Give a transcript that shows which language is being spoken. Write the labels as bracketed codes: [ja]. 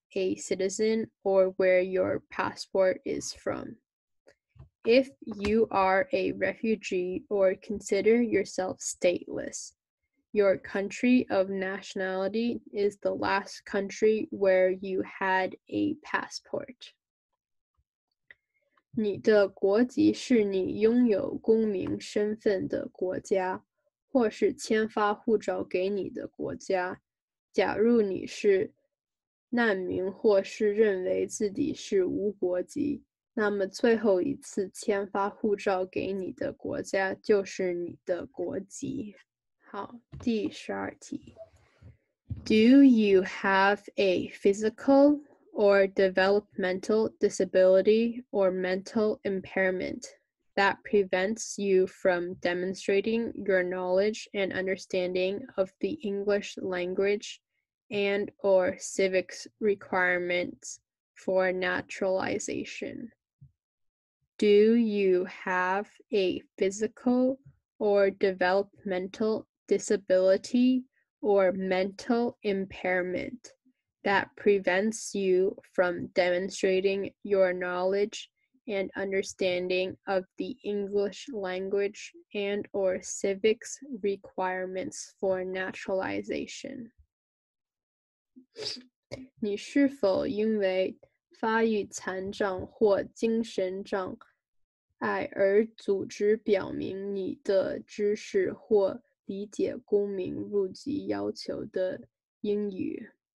[en] A citizen or where your passport is from. If you are a refugee or consider yourself stateless, Your country of nationality is the last country where you had a passport. [zh] 你的国籍是你拥有公民身份的国家，或是签发护照给你的国家。假如你是难民或是认为自己是无国籍，那么最后一次签发护照给你的国家就是你的国籍。好，第十二题。 [en] Do you have a physical or developmental disability or mental impairment that prevents you from demonstrating your knowledge and understanding of the English language and or civics requirements for naturalization? Do you have a physical or developmental disability or mental impairment that prevents you from demonstrating your knowledge and understanding of the English language and or civics requirements for naturalization? [zh] 你是否因为发育残障或精神障碍而组织表明你的知识或理解公民入籍要求的英语？